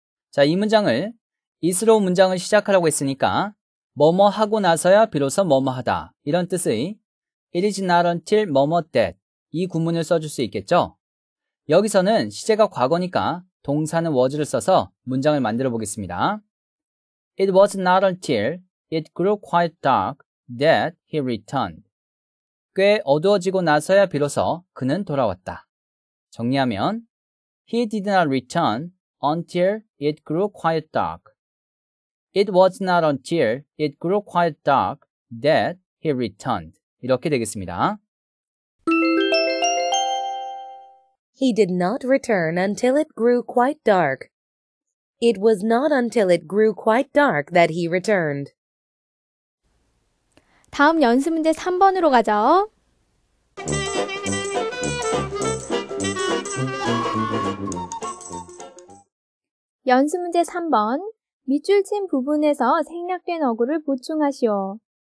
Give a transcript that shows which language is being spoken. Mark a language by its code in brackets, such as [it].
[ko] 자, 이 문장을 is로 문장을 시작하라고 했으니까 뭐뭐 하고 나서야 비로소 뭐뭐하다 이런 뜻의 [en] It is not until [ko] 뭐뭐 that 이 구문을 써줄 수 있겠죠. 여기서는 시제가 과거니까 동사는 was를 써서 문장을 만들어 보겠습니다. [en] It was not until it grew quite dark that he returned. [ko] 꽤 어두워지고 나서야 비로소 그는 돌아왔다. 정리하면 [en] He did not return until it grew quite dark. It was not until it grew quite dark that he returned. [ko] 이렇게 되겠습니다. [en] He did not return until it grew quite dark. It was not until it grew quite dark that he returned. [ko] 다음 연습 문제 3번으로 가죠. 연습 문제 3번. 밑줄 친 부분에서 생략된 어구를 보충하시오.